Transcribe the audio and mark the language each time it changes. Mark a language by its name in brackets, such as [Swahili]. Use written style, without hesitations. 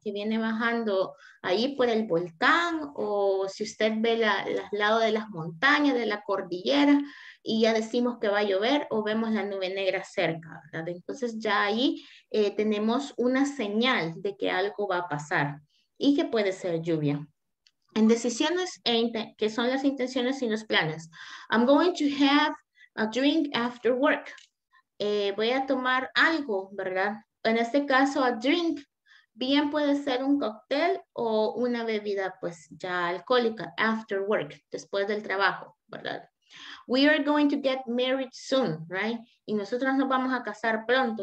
[Spanish] Que viene bajando ahí por el volcán o si usted ve el lado de las montañas, de la cordillera y ya decimos que va a llover o vemos la nube negra cerca, ¿verdad? Entonces ya ahí tenemos una señal de que algo va a pasar y que puede ser lluvia. En decisiones, que son las intenciones y los planes. [English] I'm going to have a drink after work. [Spanish] Voy a tomar algo, ¿verdad? En este caso, a drink, bien puede ser un cóctel o una bebida, pues, ya alcohólica, [English] after work, [Spanish] después del trabajo, ¿verdad? [English] We are going to get married soon, right? [Spanish] Y nosotros nos vamos a casar pronto.